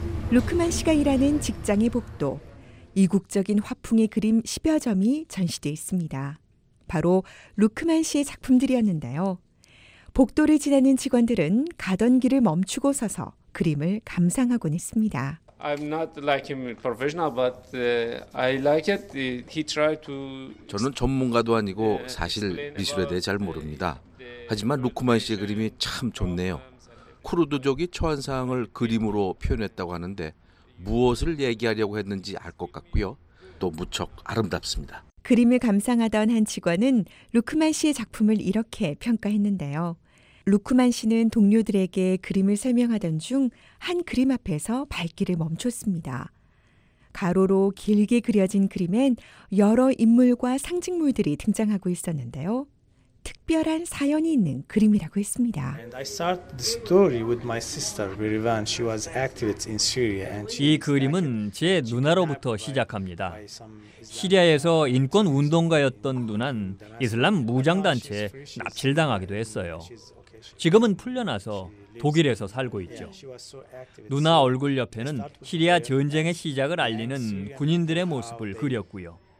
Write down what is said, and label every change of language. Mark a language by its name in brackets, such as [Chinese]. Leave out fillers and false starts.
[Korean] 루크만 씨가 일하는 직장의 복도. 이국적인 화풍의 그림 10여 점이 전시되어 있습니다. 바로 루크만 씨의 작품들이었는데요. 복도를 지나는 직원들은 가던 길을 멈추고 서서 그림을 감상하곤 했습니다. [English] I'm not like him professional, but I like it. He tried to. [Korean] 저는 전문가도 아니고 사실 미술에 대해 잘 모릅니다. 하지만 루크만 씨의 그림이 참 좋네요. 쿠르드족이 처한 상황을 그림으로 표현했다고 하는데 무엇을 얘기하려고 했는지 알 것 같고요. 또 무척 아름답습니다. 그림을 감상하던 한 직원은 루크만 씨의 작품을 이렇게 평가했는데요. 루크만 씨는 동료들에게 그림을 설명하던 중 한 그림 앞에서 발길을 멈췄습니다. 가로로 길게 그려진 그림엔 여러 인물과 상징물들이 등장하고 있었는데요. 특별한 사연이 있는 그림이라고 했습니다. [English] I start the story with my sister, Mirvan. She was active in Syria. [Korean] 이 그림은 제 누나로부터 시작합니다. 시리아에서 인권 운동가였던 누난 이슬람 무장 단체에 납치당하기도 했어요. 지금은 풀려나서 독일에서 살고 있죠. 누나 얼굴 옆에는 시리아 전쟁의 시작을 알리는 군인들의 모습을 그렸고요.